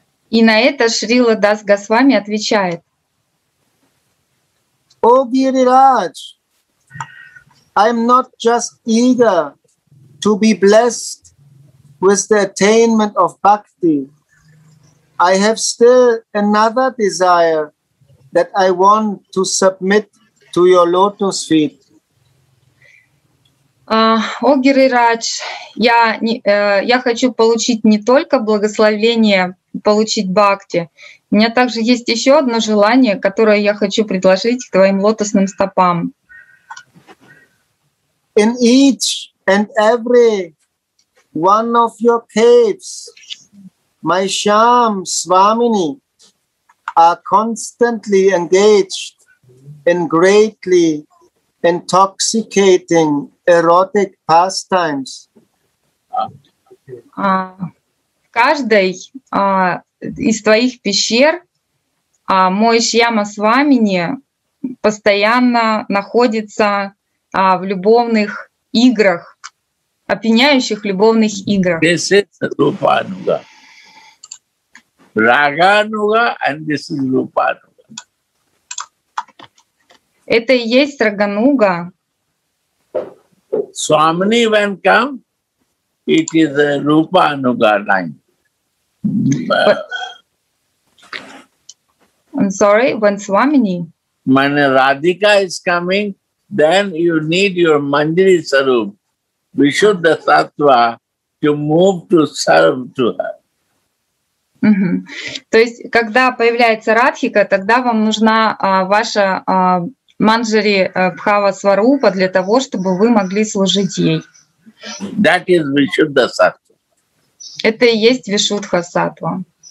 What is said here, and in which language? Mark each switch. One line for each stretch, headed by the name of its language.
Russian: И на это Шрила Дас Госвами отвечает.
English: O Giriraj, I'm not just eager to be blessed with the attainment of bhakti. I have still another desire that I want to submit to your lotus feet.
Russian: О Гирирадж, я хочу получить не только благословение, получить бхакти. У меня также есть еще одно желание, которое я хочу предложить к твоим лотосным стопам.
English: In each and every one of your caves, my Shyam Swamini are constantly engaged in greatly intoxicating erotic pastimes.
Russian: В каждой из твоих пещер мой Шьяма Свамини постоянно находится в любовных играх, опьяняющих любовных играх.
English: This is Rupa Anuga. Raga Anuga, and this is Rupa Anuga.
Russian: Это и есть Рага Нуга.
English: Swamini, when come, it is a Rupa Anuga line. I'm sorry, when Swamini? When Radhika is coming, then you need your Manjari Sarup, Vishuddha Sattva, to move to serve to her.
Russian: То есть, когда появляется Радхика, тогда вам нужна ваша Манджари Бхава Сварупа для того, чтобы вы могли служить ей.
English: That is Vishuddha Sattva.
Russian: Это и есть Вишудха Сатва.